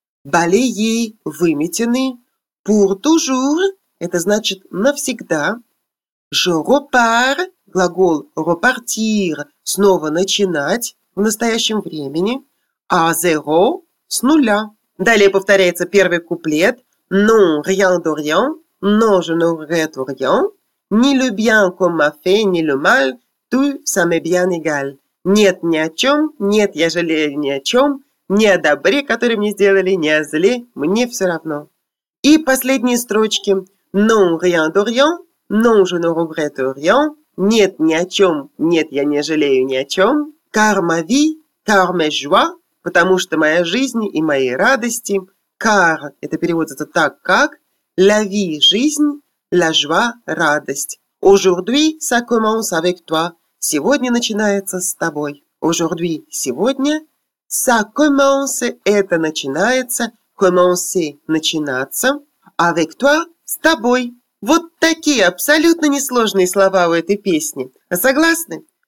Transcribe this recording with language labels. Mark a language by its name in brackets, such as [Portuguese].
[Russian] Balayer – выметены, pour toujours – это значит навсегда. Je repars – глагол repartir – снова начинать. В настоящем времени. A zéro – с нуля. Далее повторяется первый куплет. [French] Non, rien de rien. Non, je ne regrette rien. Ni le bien qu'on m'a fait, ni le mal. Tout ça m'est bien égal. [Russian] Нет ни о чем. Нет, я жалею ни о чем. Ни о добре, который мне сделали, ни о зле. Мне все равно. И последние строчки. [French] Non, rien de rien. Non, je ne regrette rien. [Russian] Нет ни о чем. Нет, я не жалею ни о чем. [French] Car ma vie, car mes joies, [Russian] потому что моя жизнь и мои радости. Car, это переводится так, как la vie, жизнь, la joie, радость. [French] Aujourd'hui, ça commence avec toi. [Russian] Сегодня начинается с тобой. Aujourd'hui, сегодня. [French] Ça commence, [Russian] это начинается. Commencer, начинаться. [French] Avec toi, [Russian] с тобой. Вот такие абсолютно несложные слова у этой песни. Согласны?